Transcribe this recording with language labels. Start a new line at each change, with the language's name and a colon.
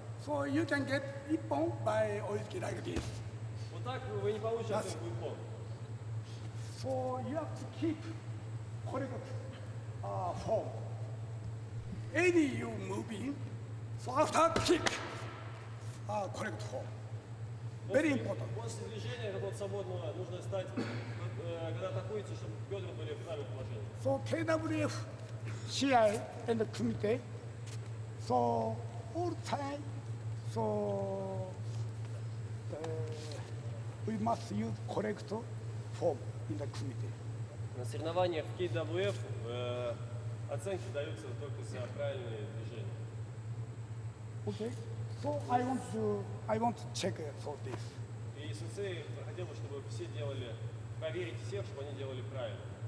English: So you can get Ippon by always keep like this.
Russian: Вот так вы не получите от этого Ippon.
English: So you have to keep correct form. Any you moving, so after kick, correct form. Very important.
Russian: После движения, когда свободного, нужно стать, когда атакуете, чтобы бедра были в правильном положении.
English: So KWF, CI and Kumite, so all time, so we must use correct form in the Kumite.
Russian: На соревнованиях KWF оценки даются только за правильные движения.
English: Okay. So I want to check for this.
Russian: И сенсей хотел бы, чтобы все делали, проверить всех, чтобы они делали правильно.